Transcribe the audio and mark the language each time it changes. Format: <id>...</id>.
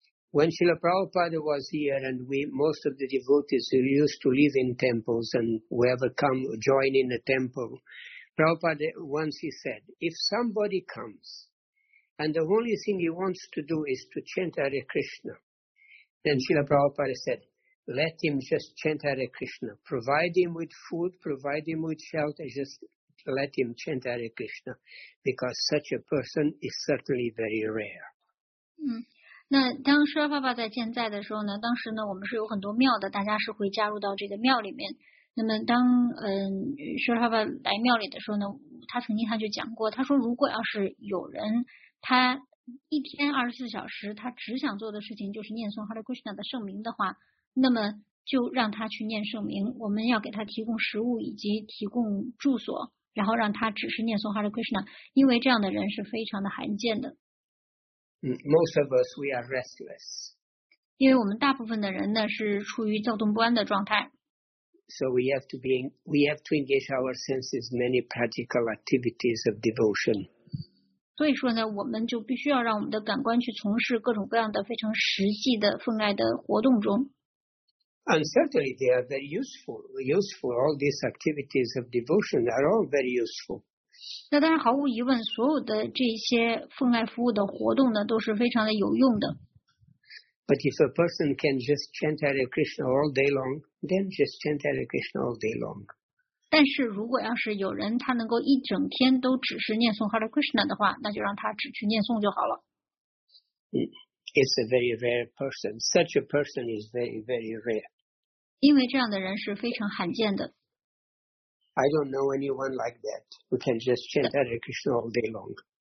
<en>When Srila Prabhupada was here and most of the devotees used to live in temples and whoever come join in a temple, Prabhupada once he said, if somebody comes and the only thing he wants to do is to chant Hare Krishna, then Srila Prabhupada said, let him just chant Hare Krishna. Provide him with food, provide him with shelter, just let him chant Hare Krishna, because such a person is certainly very rare.</en> <zh>那当释迦爸爸在健在的时候呢，当时呢我们是有很多庙的，大家是会加入到这个庙里面。那么当释迦爸爸来庙里的时候呢，他曾经讲过，他说如果要是有人他一天24小时他只想做的事情就是念诵 Hare Krishna 的圣名的话，那么就让他去念圣名，我们要给他提供食物以及提供住所，然后让他只是念诵 Hare Krishna， 因为这样的人是非常的罕见的。</zh> <en>Most of us, we are restless.</en> <zh>因为我们大部分的人呢是处于躁动不安的状态。</zh> <en>So we have to engage our senses many practical activities of devotion.</en> <zh>所以说呢，我们就必须要让我们的感官去从事各种各样的非常实际的奉爱的活动中。</zh> <en>And certainly they are very useful. Useful. All these activities of devotion are all very useful.</en> <zh>那当然毫无疑问，所有的这些奉爱服务的活动呢都是非常的有用的。</zh> <en>But if a person can just chant Hare Krishna all day long, then just chant Hare Krishna all day long.</en> <zh>但是如果要是有人他能够一整天都只是念诵 Hare Krishna 的话，那就让他只去念诵就好了。</zh> <en>It's a very rare person. Such a person is very, very rare.</en> <zh>因为这样的人是非常罕见的。</zh> <en>I don't know anyone like that who can just chant Hare Krishna all day long.</en>